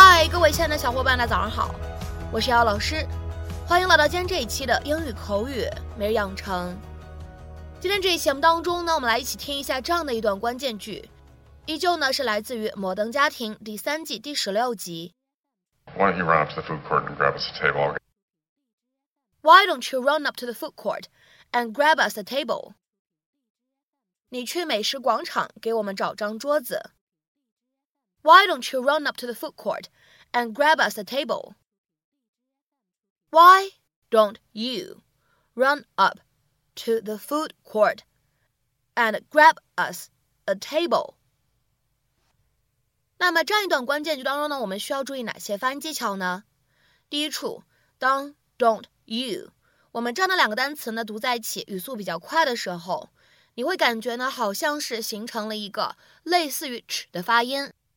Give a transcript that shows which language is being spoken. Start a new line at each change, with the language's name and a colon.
Chinese: 各位亲爱的小伙伴的早上好，我是姚老师，欢迎来到今天这一期的英语口语每日养成。今天这一期节目当中呢，我们来一起听一下这样的一段关键句，依旧呢是来自于《摩登家庭》第三季第十六集。
English: Why don't you run up to the food court and grab us a table?
Chinese: 你去美食广场给我们找张桌子。
English: Why don't you run up to the food court and grab us a table? Why don't you run up to the food court and grab us a table?
Chinese: 那么这样一段关键句当中呢，我们需要注意哪些发音技巧呢？第一处，当 don't you， 我们这样的两个单词呢读在一起，语速比较快的时候，你会感觉呢好像是形成了一个类似于 ch 的发音。